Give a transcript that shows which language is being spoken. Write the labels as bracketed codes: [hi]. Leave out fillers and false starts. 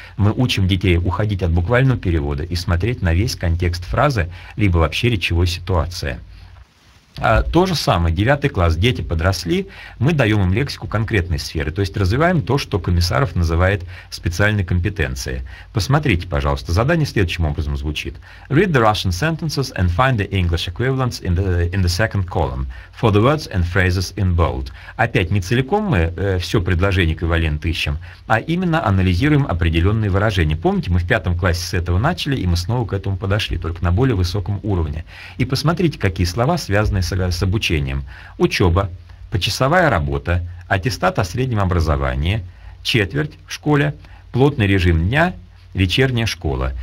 [ru] Мы учим детей уходить от буквального перевода и смотреть на весь контекст фразы, либо вообще речевой ситуации. То же самое, 9 класс, дети подросли, мы даем им лексику конкретной сферы, то есть развиваем то, что Комиссаров называет специальной компетенцией. Посмотрите, пожалуйста, задание следующим образом звучит. [en] Read the Russian sentences and find the English equivalents in the second column for the words and phrases in bold. [ru] Опять не целиком мы все предложение эквивалент ищем, а именно анализируем определенные выражения. Помните, мы в 5 классе с этого начали, и мы снова к этому подошли, только на более высоком уровне. И посмотрите, какие слова связаны с обучением. Учеба, почасовая работа, аттестат о среднем образовании, четверть в школе, плотный режим дня, вечерняя школа.